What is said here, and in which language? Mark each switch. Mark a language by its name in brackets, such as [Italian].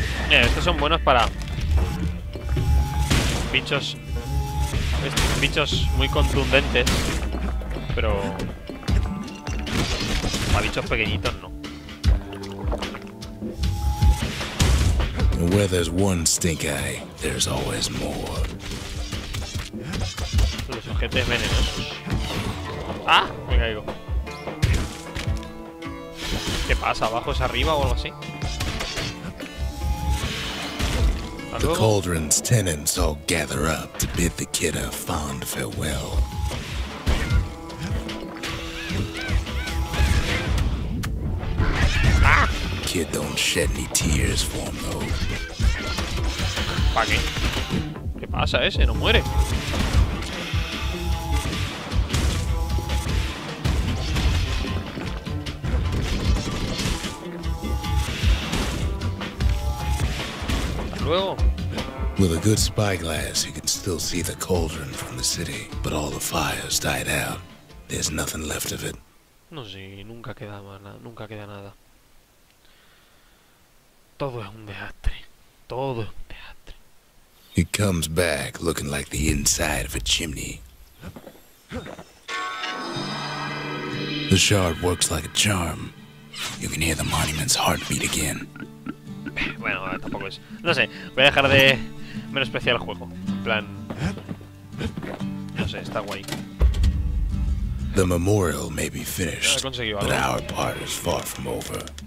[Spanish] Estos son buenos para bichos muy contundentes, pero para bichos pequeñitos no. [English] Where there's one stink eye, there's always more. [Spanish] Los sujetes venenosos. ¡Ah! Me caigo. ¿Qué pasa? ¿Abajo es arriba o algo así? [English] The cauldron's tenants all gather up to bid the kid a fond farewell. ¡Ah! Kid don't shed any tears for him though. [Spanish] ¿Para qué? ¿Qué pasa ese? No muere. [English] With a good spyglass, you can still see the cauldron from the city, but all the fires died out. There's nothing left of it. [Spanish] No sé, nunca queda nada, nunca queda nada. Todo es un desastre. Todo es un desastre. [English] He comes back looking like the inside of a chimney. The shard works like a charm. You can hear the monument's heartbeat again. [Spanish] Bueno, tampoco es. No sé, voy a dejar de menospreciar el juego. En plan. No sé, está guay. [English] The memorial may be finished, but our part is far from over.